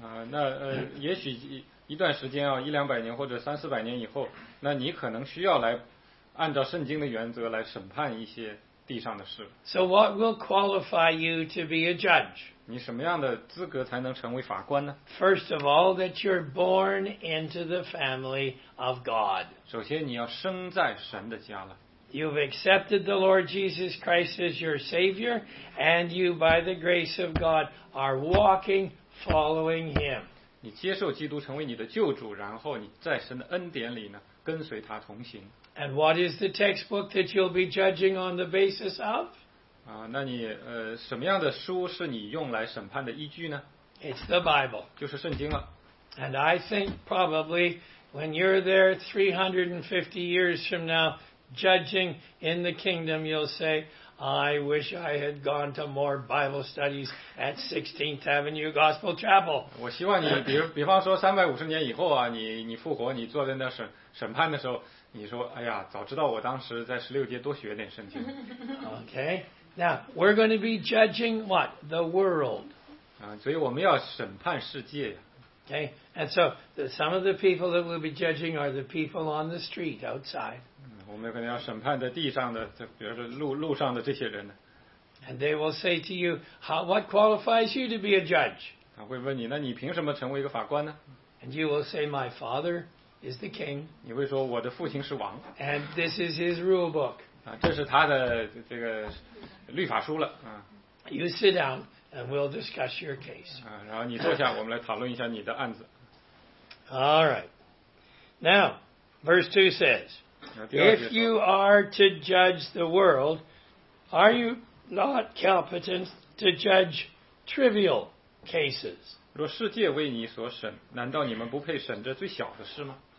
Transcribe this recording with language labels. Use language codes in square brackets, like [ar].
[zh] 那也许一段时间啊，一两百年或者三四百年以后，那你可能需要来按照圣经的原则来审判一些地上的事。 [en] So what will qualify you to be a judge? [zh] 你什么样的资格才能成为法官呢？ [en] First of all, that you're born into the family of God. [zh] 首先你要生在神的家了。 [en] You've accepted the Lord Jesus Christ as your Savior, and you, by the grace of God, are walking, following Him. [zh] 你接受基督成为你的救主，然后你在神的恩典里呢，跟随他同行。 [en] And what is the textbook that you'll be judging on the basis of? [zh] 那你什么样的书是你用来审判的依据呢？ [en] It's the Bible. [zh] 就是圣经了。 [en] And I think probably when you're there 350 years from now judging in the kingdom, you'll say, I wish I had gone to more Bible studies at 16th Avenue Gospel Chapel. [zh] 我希望你比方说350年以后啊，你复活，你坐在那审判的时候，你说，哎呀，早知道我当时在十六街多学点圣经。 [en] Okay, now we're going to be judging what? The world. [zh] 所以我们要审判世界。 [en] Okay, and so some of the people that we'll be judging are the people on the street outside. [zh] 我们可能要审判在地上的，比如说路上的这些人。 [en] And they will say to you, what qualifies you to be a judge? [zh] 他会问你，那你凭什么成为一个法官呢？ [en] And you will say, my father. Is the king? [zh] 你会说我的父亲是王。 [en] And this is his rule book. [zh] 这是他的这个律法书了。 [en] You sit down and we'll discuss your case. [zh] 然后你坐下，我们来讨论一下你的案子。 [en] All right. Now, verse 2 says, if you are to judge the world, are you not competent to judge trivial cases? [zh] 若世界为你所审，难道你们不配审这最小的事吗？